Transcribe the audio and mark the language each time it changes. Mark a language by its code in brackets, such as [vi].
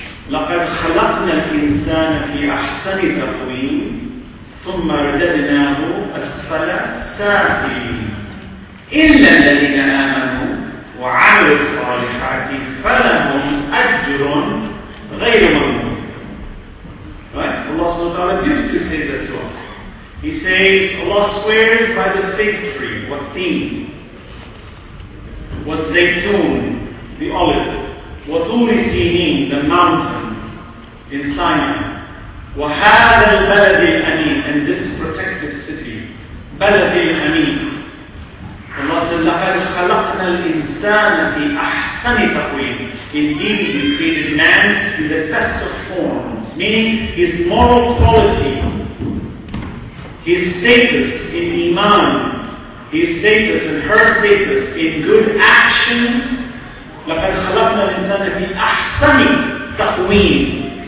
[ar] لقد خلقنا الإنسان في أحسن تقويم ثم رددناه أسفل سافلين إلا الذين آمنوا وعملوا الصالحات فلهم أجر غير ممنون. [en] Right? Allah subhanahu wa ta'ala used to say that to us. He says, Allah swears by the fig tree, watin, watzaytun, the olive, watur sinin, the mountain in Sinai, wahada al-balad al-amin, and this protected city, balad al-amin. Allah said, [ar] لَقَدْ خَلَقْنَا الْإِنسَانَ فِي أَحْسَنِ تَقْوِيمٍ. [en] Indeed, we created man in the best of forms, meaning his moral quality, his status in iman, his status and her status in good actions. [ar] لَقَدْ خَلَقْنَا الْإِنسَانَ فِي أَحْسَنِ تَقْوِيمٍ.